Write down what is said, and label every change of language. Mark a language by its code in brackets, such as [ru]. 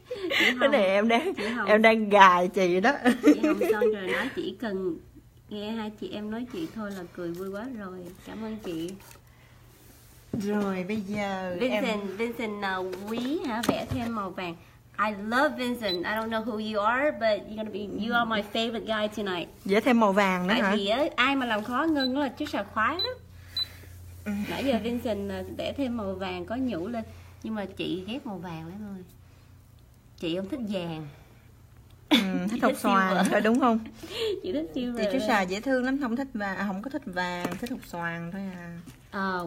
[vi] Cái này em đang gài chị đó. Chị Hồng Sơn rồi nói chỉ cần nghe hai chị em nói chuyện thôi là cười vui quá rồi. Cảm ơn chị. Rồi bây giờ Vincent nào quý hả, vẽ thêm màu vàng. [en] I love Vincent. I don't know who you are, but you are my favorite guy tonight. [vi] Dễ thêm màu vàng nữa hả? Thì ai mà làm khó Ngân là chứ sợ khoái lắm. Nãy giờ Vincent vẽ thêm màu vàng có nhũ lên, nhưng mà chị ghét màu vàng lắm rồi. Chị không thích vàng. Thích hột xoàn thôi đúng không? Chị thích silver. Chị chứ sợ dễ thương lắm, không thích vàng, không có thích vàng, thích hột xoàn thôi à.